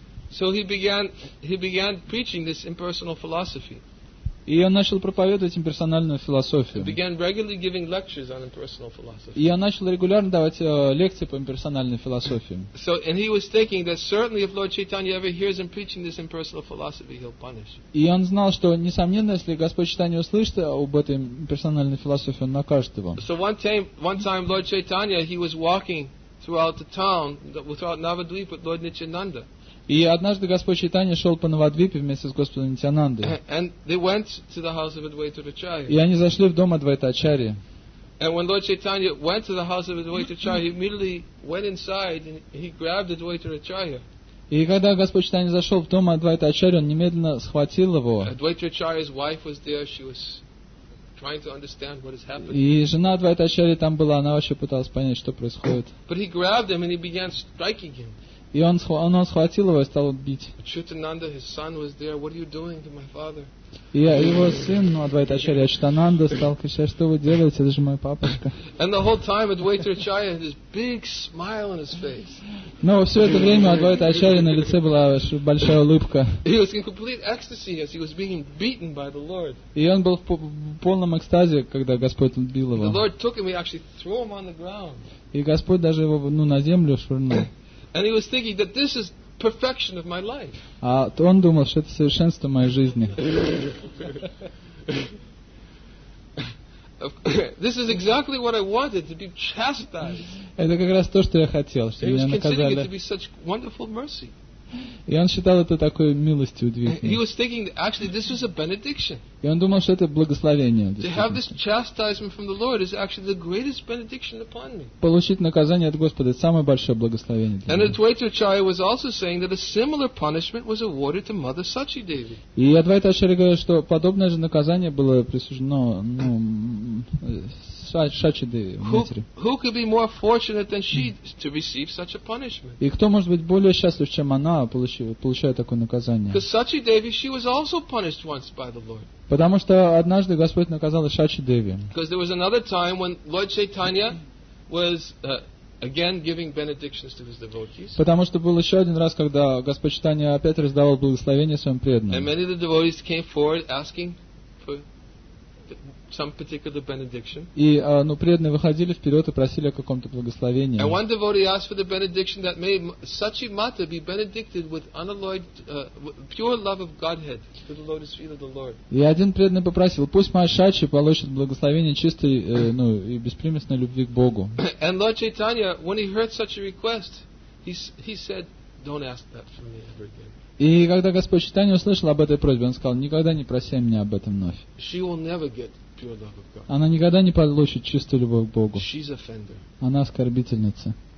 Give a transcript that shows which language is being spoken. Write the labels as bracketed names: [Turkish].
[English] So he began preaching this impersonal philosophy. [Russian] И он начал проповедовать имперсональную философию. [English] He began regularly giving lectures on impersonal philosophy. [Russian] И он начал регулярно давать лекции по имперсональной философии. [English] So and he was thinking that certainly if Lord Chaitanya ever hears him preaching this impersonal philosophy, he'll punish. [Russian] И он знал, что несомненно, если Господь Чайтанья услышит об этой имперсональной философии, он накажет его. [English] So one time Lord Chaitanya, he was walking throughout the town, throughout Navadvipa with Lord Nityananda. [Russian] И однажды Господь Чайтанья шел по Навадвипе вместе с Господом Нитянандой. И они зашли в дом Адвайта Ачарьи. [English] And when Lord Chaitanya went to the house of Advaita Acharya, he immediately went inside and he grabbed Advaita Acharya. [Russian] И когда Господь Чайтанья зашел в дом Адвайта Ачарьи, он немедленно схватил его. [English] Advaita Acharya's wife was there, she was trying to understand what is happening. [Russian] И жена Адвайта Ачарьи там была, она вообще пыталась понять, что происходит. [English] But he grabbed him and he began striking him. [Russian] И он схватил его и стал бить. [English] Chitananda, his son, was there. What are you doing to my father? [Russian] И его сын, ну, Адвайта Ачарья, Читананда, стал кричать, что вы делаете, это же мой папочка. [English] And the whole time Advaita Acharya had this big smile on his face. [Russian] Но все это время Адвайта Ачарья на лице была большая улыбка. [English] He was in complete ecstasy as he was being beaten by the Lord. [Russian] И он был в полном экстазе, когда Господь бил его. [English] The Lord took him, he actually threw him on the ground. [Russian] И Господь даже его, ну, на землю швырнул. [English] And he was thinking that this is perfection of my life. [Russian] А он думал, что это совершенство моей жизни. [English] This is exactly what I wanted, to be chastised. [Russian] Это как раз то, что я хотел, чтобы меня наказали. [English] He was considering it to be such wonderful mercy. [Russian] И он считал это такой милостью удивительной. [English] He was thinking that actually this was a benediction. [Russian] И он думал, что это благословение. [English] To have this chastisement from the Lord is actually the greatest benediction upon me. [Russian] Получить наказание от Господа — это самое большое благословение для меня. [English] And Advaita Acharya was also saying that a similar punishment was awarded to Mother Sachi Devi. [Russian] И Адвайта Ачарья говорит, что подобное же наказание было присуждено, ну, Сачи Деви, матери. [English] Who could be more fortunate than she to receive such a punishment? [Russian] И кто может быть более счастлив, чем она, получая такое наказание? [English] Because Sachi Devi, she was also punished once by the Lord. [Russian] Потому что однажды Господь наказал Сачи Деви. [English] Because there was another time when Lord Chaitanya was again giving benedictions to his devotees. [Russian] Потому что был еще один раз, когда Господь Чайтанья опять раздавал благословения своим преданным. [English] And many of the devotees came forward asking for some particular benediction. [Russian] И, ну, преданные выходили вперед и просили о каком-то благословении. [English] And one devotee asked for the benediction that may Sachi Mata be benedicted with unalloyed pure love of Godhead to the lotus feet of the Lord. [Russian] И один преданный попросил, пусть моя Сачи получит благословение чистой, ну, и беспримесной любви к Богу. [English] And Lord Chaitanya, when he heard such a request, he said, don't ask that from me ever again. [Russian] И когда Господь Читания услышал об этой просьбе, Он сказал, никогда не проси меня об этом вновь. Она никогда не получит чистую любовь к Богу. Она оскорбительница.